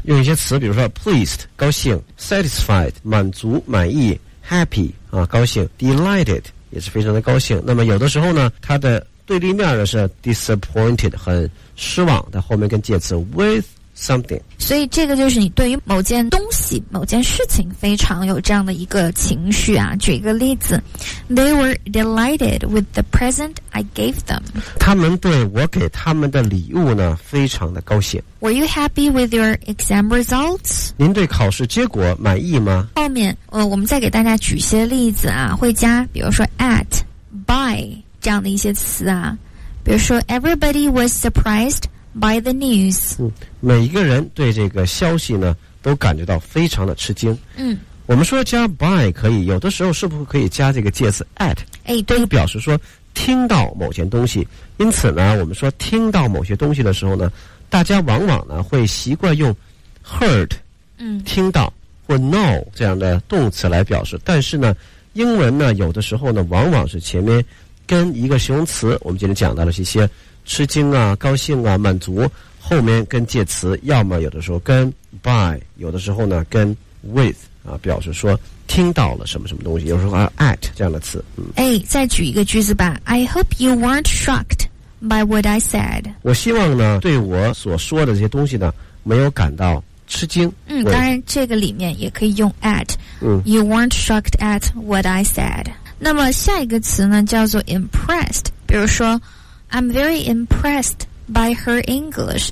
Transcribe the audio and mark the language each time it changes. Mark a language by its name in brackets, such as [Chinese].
[Chinese] 用一些词比如说 pleased 高兴， satisfied 满足满意， happy 啊高兴， delighted 也是非常的高兴。那么有的时候呢它的对立面的是 disappointed 很失望，在后面跟介词 withsomething，所以这个就是你对于某件东西某件事情非常有这样的一个情绪啊。举一个例子， [English] They were delighted with the present I gave them， [Chinese] 他们对我给他们的礼物呢非常的高兴。 [English] Were you happy with your exam results？ [Chinese] 您对考试结果满意吗？后面我们再给大家举些例子啊，会加比如说 at by 这样的一些词啊，比如说 [English] Everybody was surprisedby the news， [Chinese] 每一个人对这个消息呢都感觉到非常的吃惊。我们说加 by 可以，有的时候是不是可以加这个介词 at？哎，对，就表示说听到某件东西。因此呢我们说听到某些东西的时候呢，大家往往呢会习惯用 heard 听到或 know 这样的动词来表示，但是呢英文呢有的时候呢往往是前面跟一个形容词，我们今天讲到了一些吃惊啊高兴啊满足，后面跟介词要么有的时候跟 by， 有的时候呢跟 with 啊，表示说听到了什么什么东西，有时候还有 at 这样的词。再举一个句子吧， [English] I hope you weren't shocked by what I said， [Chinese] 我希望呢对我所说的这些东西呢没有感到吃惊。当然这个里面也可以用 [English] at， You weren't shocked at what I said。 [Chinese] 那么下一个词呢叫做 impressed， 比如说 [English] I'm very impressed by her English.